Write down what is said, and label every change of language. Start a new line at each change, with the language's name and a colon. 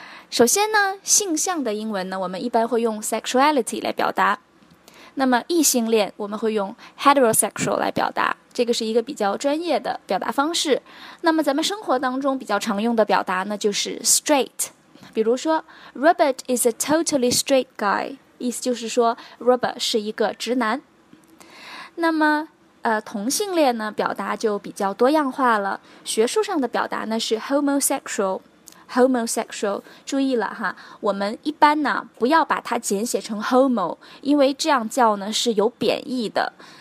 Chinese: 首先呢，性向的英文呢，我们一般会用 sexuality 来表达。那么异性恋我们会用 heterosexual 来表达，这个是一个比较专业的表达方式。那么咱们生活当中比较常用的表达呢，就是 straight。比如说
English: Robert is a totally straight guy，
Chinese: 意思就是说 Robert 是一个直男。那么同性恋呢，表达就比较多样化了，学术上的表达呢是 homosexual。 Homosexual， 注意了哈，我们一般呢不要把它简写成 homo， 因为这样叫呢是有贬义的。